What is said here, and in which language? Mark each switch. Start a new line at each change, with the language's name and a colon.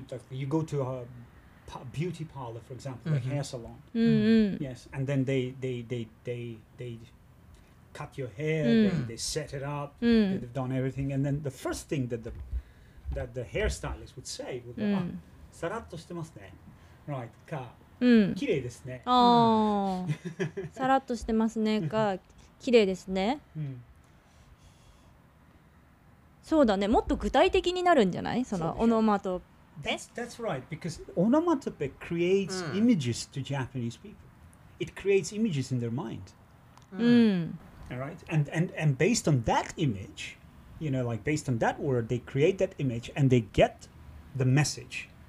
English: You go to a beauty parlor, for example, a hair salon. Yes, and then they cut your hair, they set it up, they've done everything, and then the first thing that the hairstylist would say would be,
Japanese: saratto shite masu ne. Right, ka. 綺麗ですね。さらっとしてますねか、綺麗ですね。そうだね、もっと具体的になるんじゃない？そのオノマトペ。
English: That's right, because onomatope creates images to Japanese people. It creates images in their mind. All right, and based on that image, you know, like based on that word, they create that image and they get the message.